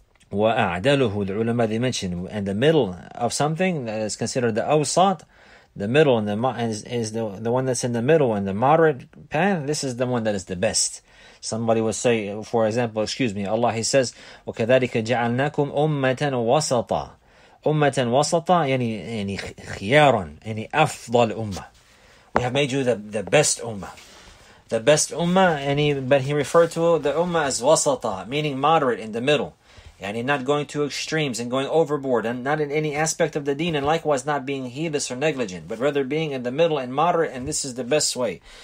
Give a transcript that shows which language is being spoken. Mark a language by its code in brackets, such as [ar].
[en] وَأَعْدَلُهُ the ulama they mentioned, and the middle of something that is considered the awsat, the middle, and is the one that's in the middle, and the moderate path, this is the one that is the best. Somebody will say, for example, excuse me, Allah, he says, [ar] وَكَذَلِكَ جَعَلْنَاكُمْ أُمَّةً وَسَطًا. أُمَّةً وَسَطًا يعني خِيَارًا يعني أَفْضَلْ أُمَّةً. [en] We have made you the best ummah. The best ummah, but he referred to the ummah as wasata, meaning moderate, in the middle. And not going to extremes and going overboard, and not in any aspect of the deen, and likewise not being heedless or negligent, but rather being in the middle and moderate, and this is the best way.